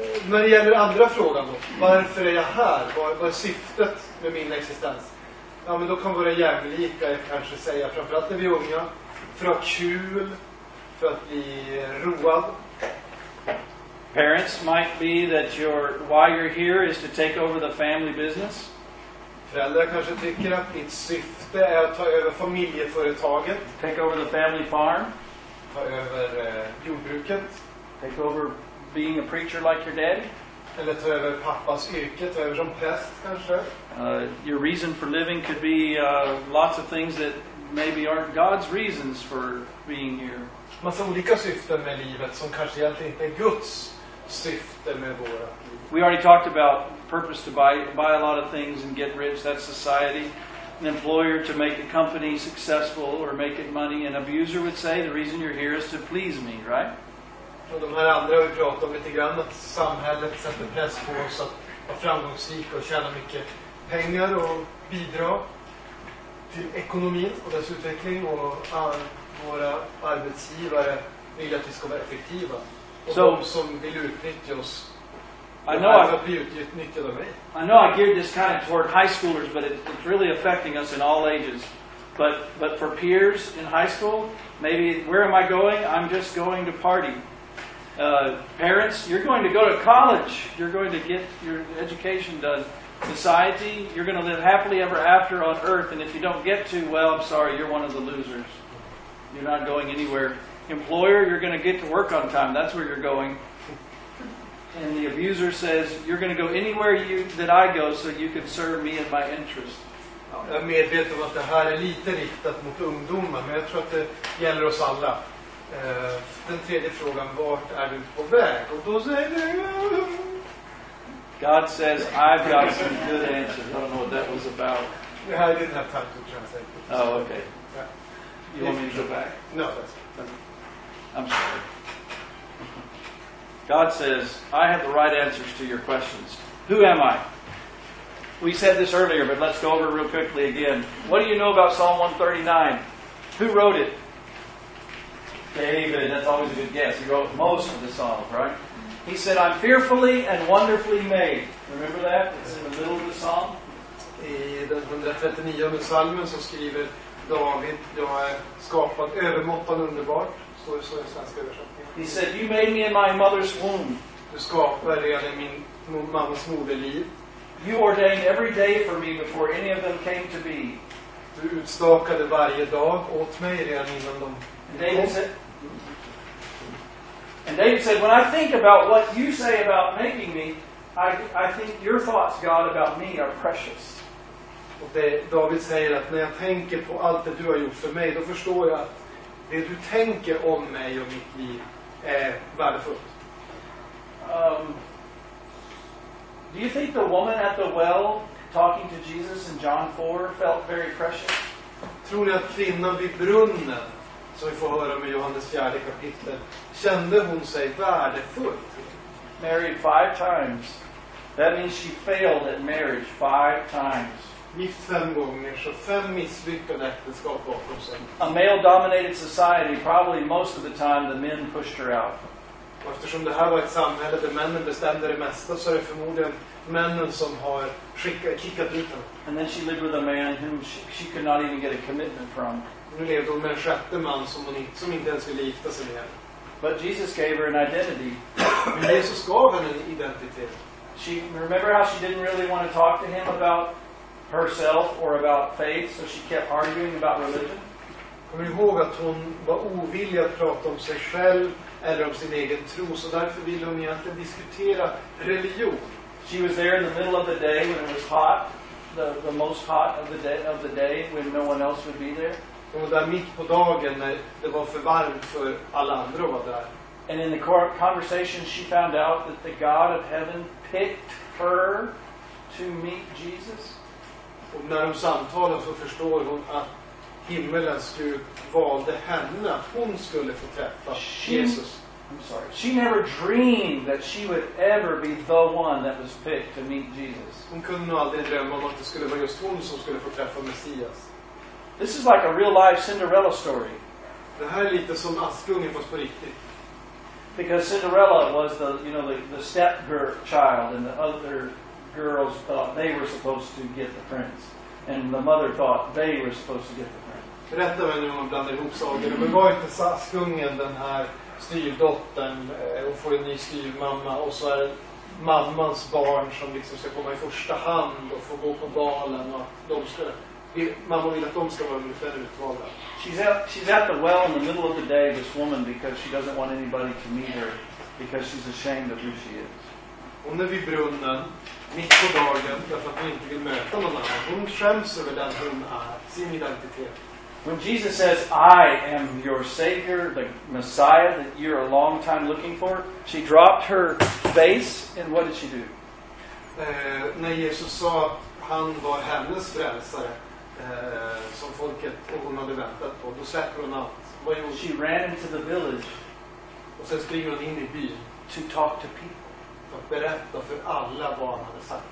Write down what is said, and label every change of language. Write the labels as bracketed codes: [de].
[sv] När det gäller andra frågan då, varför är jag här? Vad är syftet med min existens? Ja, men då kan våra jävlika kanske säga, framförallt när vi är unga, för att ha kul, för att bli road. [en] Parents might be that why you're here is to take over the family business. [sv] Föräldrar kanske tycker att mitt syfte är att ta över familjeföretaget. [en] Take over the family farm. [sv] Ta över jordbruket. [en] Take over being a preacher like your dad. [sv] Eller ta över pappas yrke, ta över som präst kanske. [en] Your reason for living could be lots of things that maybe aren't God's reasons for being here. Massa olika syften med livet som kanske egentligen inte är Guds syfte med våra liv. We already talked about purpose to buy a lot of things and get rich, that's society. An employer to make the company successful or make it money. An abuser would say the reason you're here is to please me, right? [sv] Och de här andra har vi pratat om lite grann, att samhället sätter press på oss att vara framgångsrika och tjäna mycket pengar och bidra till ekonomin och dess utveckling, och våra arbetsgivare vill att vi ska vara effektiva. Och so, de som vill utnyttja oss, utnyttjade av mig. [en] I know I geared this kind of toward high schoolers, but it's really affecting us in all ages. But for peers in high school, maybe, where am I going? I'm just going to party. Parents, you're going to go to college. You're going to get your education done. Society, you're going to live happily ever after on earth. And if you don't get to, well, I'm sorry, you're one of the losers. You're not going anywhere. Employer, you're going to get to work on time. That's where you're going. And the abuser says, you're going to go anywhere that I go so you can serve me and my interests. [sv] Jag är medveten om att det här är lite riktat mot ungdomar, men jag tror att det gäller oss alla. Den tredje frågan, vart är du på väg? Och då säger du... [en] God says, I've got some good answers. I don't know what that was about. Yeah, I didn't have time to translate. Oh, okay. Yeah. You want me to go back? No, that's fine. I'm sorry. God says, I have the right answers to your questions. Who am I? We said this earlier, but let's go over real quickly again. What do you know about Psalm 139? Who wrote it? David. That's always a good guess. He wrote most of the Psalms, right? He said, I'm fearfully and wonderfully made. Remember that? It's in the middle of the Psalm. [sv] I den 139 psalmen så skriver David, jag är skapad övermåttan underbart. Står det så i svenska översättningen. [en] He said, you made me in my mother's womb. [sv] Du skapade redan min mammas moderliv. [en] You ordained every day for me before any of them came to be. [sv] Du utstakade varje dag åt mig redan innan de. [en] And David said, when I think about what you say about making me, I think your thoughts, God, about me are precious. [sv] Och det David säger, att när jag tänker på allt det du har gjort för mig, då förstår jag att det du tänker om mig och mitt liv är värdefullt. [en] Do you think the woman at the well talking to Jesus in John 4 felt very precious? [sv] Tror ni att kvinnan vid brunnen, som vi får höra om i Johannes 4 kapitlet, kände hon sig värdefull? [en] Married 5 times. That means she failed at marriage 5 times. [sv] Gift 5 gånger, så 5 misslyckade äktenskap bakom sig. [en] A male-dominated society, probably most of the time the men pushed her out. [sv] Och eftersom det här var ett samhälle där männen bestämde det mesta, så är det förmodligen männen som har kickat ut henne. [en] And then she lived with a man whom she could not even get a commitment from. [sv] Nu levde hon med en sjätte man som inte ens ville gifta sig med. [en] But Jesus gave her an identity. [sv] Men Jesus gav henne en identitet. [en] She, remember how she didn't really want to talk to him about herself or about faith, so she kept arguing about religion? [sv] Kommer du ihåg att hon var ovillig att prata om sig själv eller om sin egen tro, så därför ville hon egentligen diskutera religion. [en] She was there in the middle of the day when it was hot, the most hot of the day when no one else would be there. [sv] Hon var där mitt på dagen när det var för varmt för alla andra att vara där. [en] And in the conversation she found out that the God of heaven picked her to meet Jesus. [sv] Och när de samtalade så förstår hon att himmelens Gud valde henne, hon skulle få träffa Jesus. [en] I'm sorry. She never dreamed that she would ever be the one that was picked to meet Jesus. [sv] Hon kunde nog aldrig drömma om att det skulle vara just hon som skulle få träffa Messias. [en] This is like a real life Cinderella story. [sv] Det här är lite som Askungen fast på riktigt. [en] Because Cinderella was the, you know, the step girl child, and the other girls thought they were supposed to get the prince, and the mother thought they were supposed to get the prince. [sv] Berätta mig nu om man blandar ihop sagor. Men var inte Askungen den här styrdottern, hon får en ny styrmamma, och så är det mammans barn som liksom ska komma i första hand och få gå på balen, och de ska, mamma vill att de ska vara ungefär utvalda. [en] She's at the well in the middle of the day, this woman, because she doesn't want anybody to meet her, because she's ashamed of who she is. [sv] Hon är vid brunnen, mitt på dagen, därför att hon inte vill möta någon annan. Hon skäms över den hon är, sin identitet. [en] When Jesus says, I am your Savior, the Messiah that you're a long time looking for, she dropped her face, and what did she do? [sv] När Jesus sa att han var hennes frälsare, som folket och hon hade väntat på, då släpper hon allt. Vad gjorde hon? [en] She ran into the village. [sv] Och sen springer hon in i byn. [en] To talk to people. [sv] För att berätta för alla vad han hade sagt.